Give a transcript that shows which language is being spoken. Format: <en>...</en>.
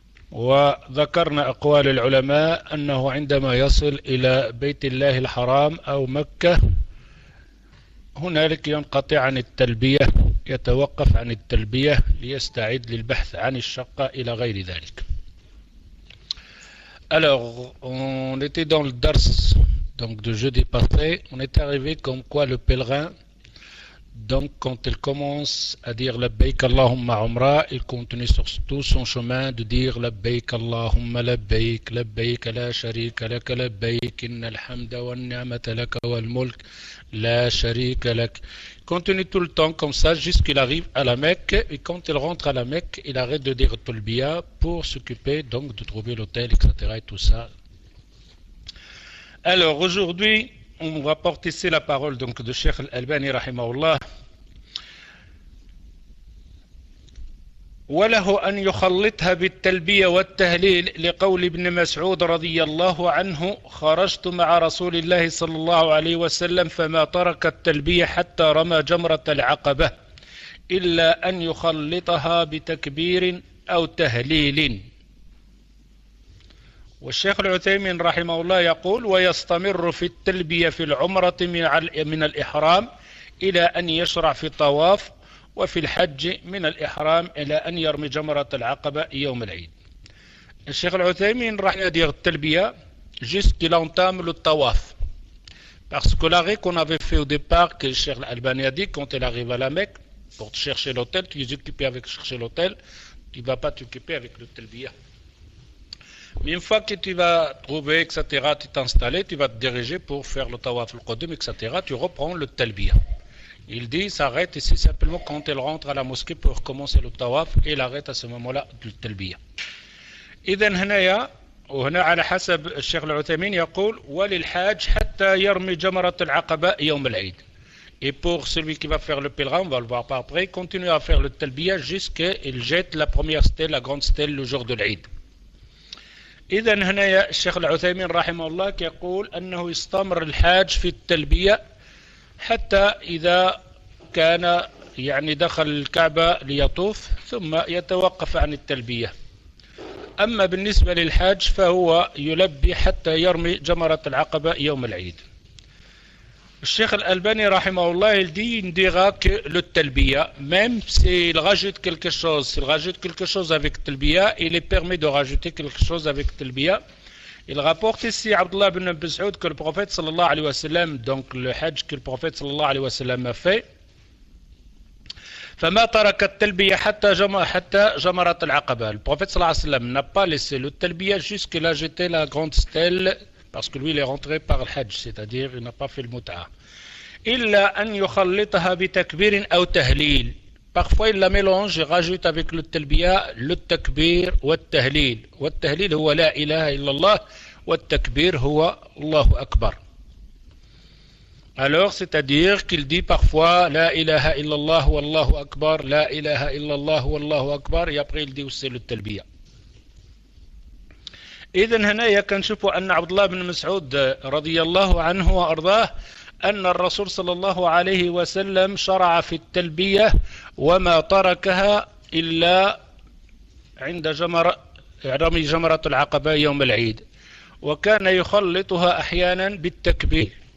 <ar>وذكرنا أقوال العلماء أنه عندما يصل إلى بيت الله الحرام أو مكة هنالك ينقطع عن التلبية، يتوقف عن التلبية ليستعد للبحث عن الشقة إلى غير ذلك.</ar> <fr>Alors, on était dans le dars, donc de jeudi passé, on est arrivé comme quoi le pèlerin, donc quand il commence à dire</fr> <ar>labbaik Allahumma umra,</ar> <fr>il continue sur tout son chemin de dire</fr> <ar>labbaik Allahumma labbaik, labbaik la sharika lak</ar> <fr>labbaik, innal hamda wan ni'mata lak wal mulk la sharika lak. Il continue tout le temps comme ça jusqu'il arrive à la Mecque, et quand il rentre à la Mecque, il arrête de dire Tulbiya pour s'occuper donc de trouver l'hôtel, etc. et tout ça. Alors aujourd'hui, on va porter ici la parole donc de Cheikh Al-Albani rahimahullah.</fr> <ar>وله أن يخلطها بالتلبية والتهليل لقول ابن مسعود رضي الله عنه خرجت مع رسول الله صلى الله عليه وسلم فما ترك التلبية حتى رمى جمرة العقبة إلا أن يخلطها بتكبير أو تهليل. والشيخ العثيمين رحمه الله يقول ويستمر في التلبية في العمرة من الإحرام إلى أن يشرع في الطواف وفي الحج من الإحرام إلى أن يرمي جمرة العقبة يوم العيد. الشيخ العثيمين راح يدير التلبية</ar> <fr>jusqu'il entame le tawaf. Parce que l'arrêt qu'on avait fait au départ, que le Cheikh Al-Albani a dit, quand il arrive à la Mecque, pour chercher l'hôtel, tu es occupé avec chercher l'hôtel, tu ne vas pas t'occuper avec le telbiya. Mais une fois que tu vas trouver, etc., tu t'installes, tu vas te diriger pour faire le tawaf al-Qudum, etc., tu reprends le telbiya. Il dit, s'arrête ici simplement quand elle rentre à la mosquée pour commencer le tawaf, et il arrête à ce moment-là du talbiya.</fr> <ar>إذن هنايا وهنا على حسب الشيخ العثيمين يقول وللحاج حتى يرمي جمرة العقبة يوم العيد.</ar> <fr>Et pour celui qui va faire le pèlerin, on va le voir par après, continue à faire le talbiya jusqu'à il jette la première stèle, la grande stèle, le jour de l'Eid.</fr> <ar>إذن هنايا الشيخ العثيمين رحمه الله يقول أنه يستمر الحاج في التلبية حتى إذا كان يعني دخل الكعبة ليطوف ثم يتوقف عن التلبية. أما بالنسبة للحاج فهو يلبي حتى يرمي جمرة العقبة يوم العيد. الشيخ الألباني رحمه الله الدين ديغا للتلبية ميم سي الغاجوت كلك شوز سي الغاجوت كلك شوز افيك التلبية إلي بيرمي دو غاجوتي كلك شوز افيك التلبية.</ar> <fr>Il rapporte ici Abdullah ibn Mas'ud que le prophète sallallahu alayhi wa sallam, donc le hajj que le prophète sallallahu alayhi wa sallam a fait,</fr> <ar>فما ترك التلبية حتى جمرت العقبة.</ar> <fr>Le prophète sallallahu alayhi wa sallam n'a pas laissé le talbiya jusqu'à jeter la grande stèle, parce que lui il est rentré par le hajj, c'est-à-dire il n'a pas fait le mut'a. إلا أن يخلطها بتكبير أو تهليل. Parfois il la mélange et rajoute avec le talbiya le takbir ou le tahlil. Ou le tahlil, c'est la ilaha illallah. Ou le takbir, c'est Allahu Akbar. Alors, c'est-à-dire qu'il dit parfois la ilaha illallah ou Allahu Akbar, la ilaha illallah ou Allahu Akbar, et après il dit aussi le talbiya.</fr> <ar>إذن هنا يكنشف أن عبد الله بن مسعود رضي الله عنه وأرضاه أن الرسول صلى الله عليه وسلم شرع في التلبية وما تركها إلا عند رمي جمرة العقبة يوم العيد، وكان يخلطها أحيانا بالتكبير.</ar>